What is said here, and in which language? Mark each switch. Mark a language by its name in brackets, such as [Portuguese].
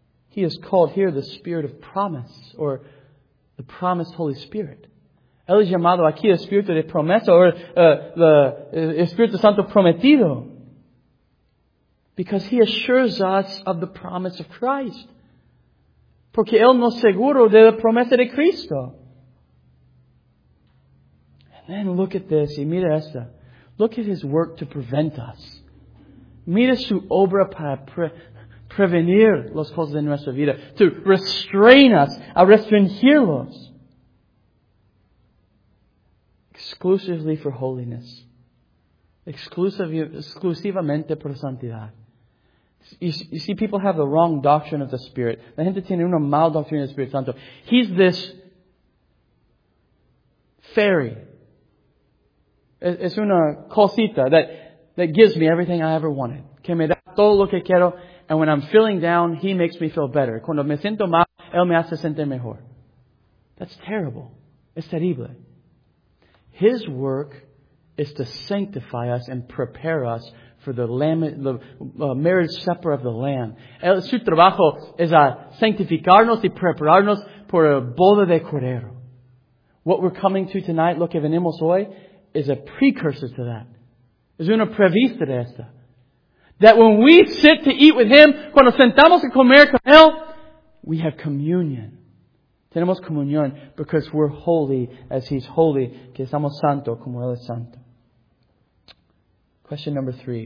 [English] He is called here the Spirit of Promise, or the Promised Holy Spirit. [Spanish] Él es llamado aquí el Espíritu de Promesa, or el Espíritu Santo Prometido. [English] Because He assures us of the promise of Christ. [Spanish] Porque Él nos seguro de la promesa de Cristo. [English] And then look at this. [Spanish] Y mira esta. [English] Look at His work to prevent us. [Spanish] Mira su obra para prevenir los cosas de nuestra vida. [English] To restrain us. [Spanish] A restringirlos. [English] Exclusively for holiness. [Spanish] Exclusivamente por santidad. [English] You see, people have the wrong doctrine of the Spirit. [Spanish] La gente tiene una mala doctrina del Espíritu Santo. [English] He's this fairy. [Spanish] Es una cosita [English] that gives me everything I ever wanted. [Spanish] Que me da todo lo que quiero. [English] And when I'm feeling down, He makes me feel better. [Spanish] Cuando me siento mal, Él me hace sentir mejor. [English] That's terrible. [Spanish] Es terrible. [English] His work is to sanctify us and prepare us for the marriage supper of the Lamb. [Spanish] Su trabajo es a sanctificarnos y prepararnos por la boda de Cordero. [English] What we're coming to tonight, [Spanish] lo que venimos hoy, [English] is a precursor to that. [Spanish] Es una prevista de esta. [English] That when we sit to eat with Him, [Spanish] cuando sentamos a comer con Él, [English] we have communion. [Spanish] Tenemos comunión [English] because we're holy as He's holy, [Spanish] que estamos santo como Él es santo. [English] Question number three.